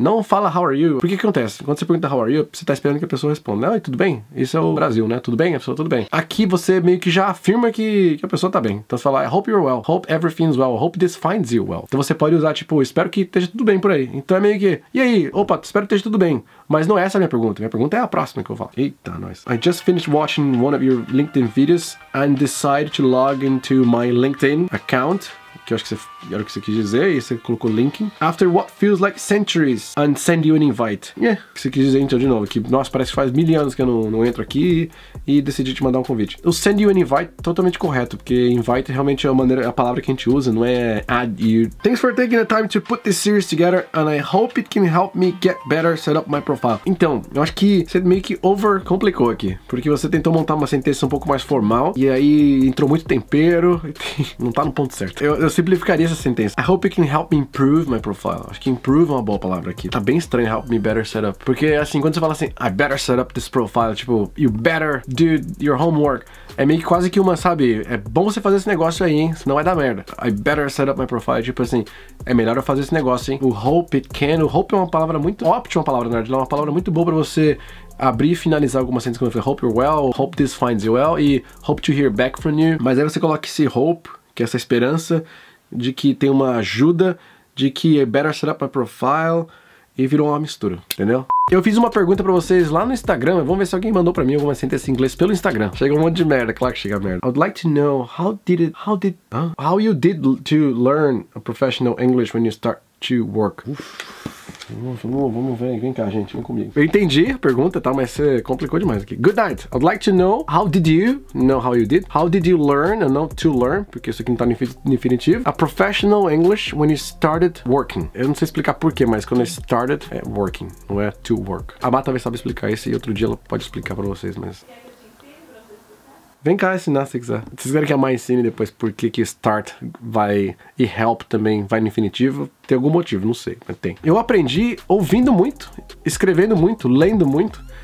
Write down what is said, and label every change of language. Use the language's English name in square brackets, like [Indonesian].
[Portuguese] Não fala [English] how are you. [Portuguese] Por que que acontece? Quando você pergunta how are you, você tá esperando que a pessoa responda. Oi, tudo bem? Isso é o Brasil, né? Tudo bem? A pessoa, tudo bem. Aqui você meio que já afirma que a pessoa tá bem. Então você fala, [English] I hope you're well. Hope everything's well. Hope this finds you well. [Portuguese] Então você pode usar, tipo, espero que esteja tudo bem por aí. Então é meio que, e aí? Opa, espero que esteja tudo bem. Mas não é essa a minha pergunta. Minha pergunta é a próxima que eu falo. Eita, nós. [English] I just finished watching one of your LinkedIn videos and decided to log into my LinkedIn account. [Portuguese] Que eu acho que você, era o que você quis dizer, e você colocou linking. [English] After what feels like centuries, and send you an invite. [Portuguese] Yeah, o que você quis dizer então de novo, que nossa, parece que faz mil anos que eu não entro aqui e decidi te mandar um convite. O [English] send you an invite, [Portuguese] totalmente correto, porque invite realmente é a maneira, a palavra que a gente usa, não é [English] add you. Thanks for taking the time to put this series together, and I hope it can help me get better set up my profile. [Portuguese] Então, eu acho que você meio que overcomplicou aqui, porque você tentou montar uma sentença um pouco mais formal, e aí entrou muito tempero, não tá no ponto certo. Eu simplificaria essa sentença. [English] I hope you can help me improve my profile. [Portuguese] Acho que improve é uma boa palavra aqui. Tá bem estranho, [English] help me better set up. [Portuguese] Porque, assim, quando você fala assim, [English] I better set up this profile, [Portuguese] tipo, [English] you better do your homework. [Portuguese] É meio que quase que uma, sabe, é bom você fazer esse negócio aí, hein? Senão vai dar merda. [English] I better set up my profile. [Portuguese] Tipo assim, é melhor eu fazer esse negócio, hein? O [English] hope it can. [Portuguese] O hope é uma palavra muito ótima, palavra, na verdade. É uma palavra muito boa pra você abrir e finalizar alguma sentença, como eu falei, [English] hope you're well, hope this finds you well, [Portuguese] e [English] hope to hear back from you. [Portuguese] Mas aí você coloca esse hope, que é essa esperança de que tem uma ajuda, de que é [English] better set up my profile, [Portuguese] e virou uma mistura, entendeu? Eu fiz uma pergunta pra vocês lá no Instagram, vamos ver se alguém mandou pra mim alguma sentença em inglês pelo Instagram. Chega um monte de merda, claro que chega merda. [English] I would like to know how you did to learn a professional English when you start to work? [Portuguese] Uf. Vamos ver, vem cá, gente, vem comigo. Eu entendi a pergunta, tá, mas você complicou demais aqui. [English] Good night, I'd like to know how did you learn, and not to learn, [Portuguese] porque isso aqui não tá no infinitivo, [English] a professional English when you started working. [Portuguese] Eu não sei explicar porquê, mas quando eu started, é working, não é to work. A Má talvez sabe explicar isso e outro dia ela pode explicar pra vocês, mas... Vem cá ensinar se quiser. Vocês querem que a mãe ensine depois por que que start vai e help também vai no infinitivo? Tem algum motivo, não sei, mas tem. Eu aprendi ouvindo muito, escrevendo muito, lendo muito.